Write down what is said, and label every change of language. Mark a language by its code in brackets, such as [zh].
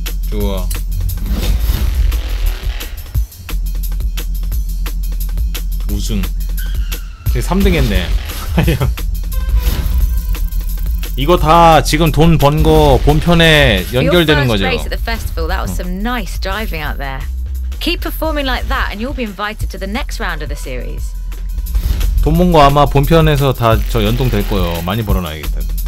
[ko] 좋아. 3등 했네. 이거 다 지금 돈 번 거 본편에 연결되는 거죠. [en] Your first race at the festival, that was some nice driving out there. Keep performing like that and you'll be invited to the next round of the series. [ko] 돈 번 거 아마 본편에서 다 저 연동될 거예요. 많이 벌어놔야겠다.